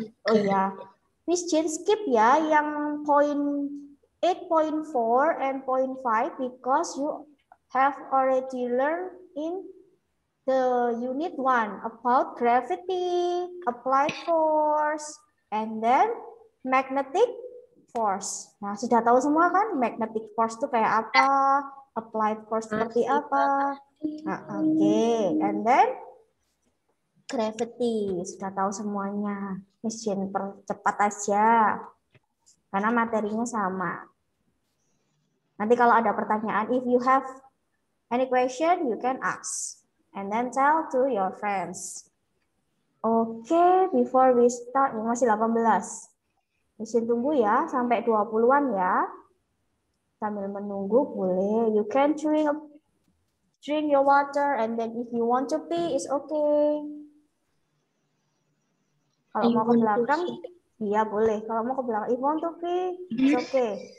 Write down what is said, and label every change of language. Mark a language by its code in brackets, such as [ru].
[id] Oh ya, [en] Miss Jin skip ya yang point 8.4 and point 5 because you have already learned in the unit 1 about gravity, applied force, and then magnetic force. [id] Nah, sudah tahu semua kan? Magnetic force itu kayak apa? Applied force seperti apa? Nah, oke. Okay. [en] And then gravity. [id] Sudah tahu semuanya. Miss Jin, percepat aja. Karena materinya sama. Nanti kalau ada pertanyaan, [en] if you have any question, you can ask. And then tell to your friends. Okay, before we start, [id] masih 18. Mesin tunggu ya, sampai 20-an ya. Sambil menunggu, boleh. [en] You can drink your water, and then if you want to pee, it's okay. [id] Kalau mau ke belakang, iya boleh. Kalau mau ke belakang, [en] if you want to pee, it's okay.